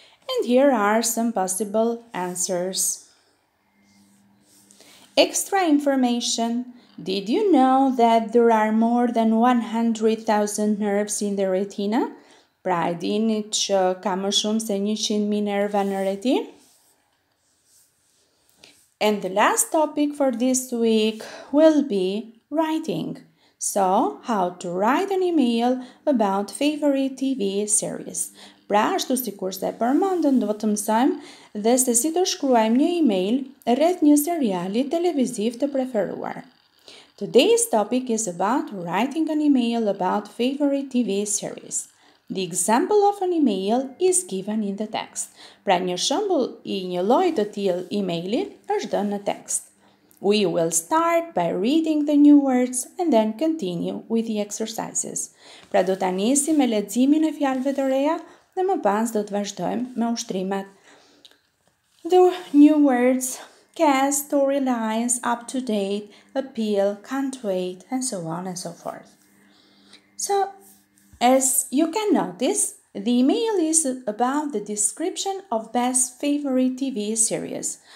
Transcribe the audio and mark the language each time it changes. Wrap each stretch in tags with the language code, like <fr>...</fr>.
<en>And here are some possible answers. Extra information. Did you know that there are more than 100,000 nerves in the retina?</en> <sq>Pra e dini që ka më shumë se 100,000 nerva në retinë?</sq> <en>And the last topic for this week will be writing. So, how to write an email about favorite TV series.</en> <sq>Pra, ashtu si kurse për mandën do të mësojmë dhe se si të shkruajmë një email rreth një seriali televiziv të preferuar.</sq> <en>Today's topic is about writing an email about favorite TV series. The example of an email is given in the text.</en> <sq>Pra një shembull I një lloji të tillë emaili është dhënë në text.</sq> <en>We will start by reading the new words and then continue with the exercises.</en> <sq>Pra do ta nisim me leximin e fjalëve të reja dhe më pas do të vazhdojmë me ushtrimet.</sq> <en>The new words, cast, storylines, up to date, appeal, can't wait, and so on and so forth. So, as you can notice, the email is about the description of best favorite TV series.</en>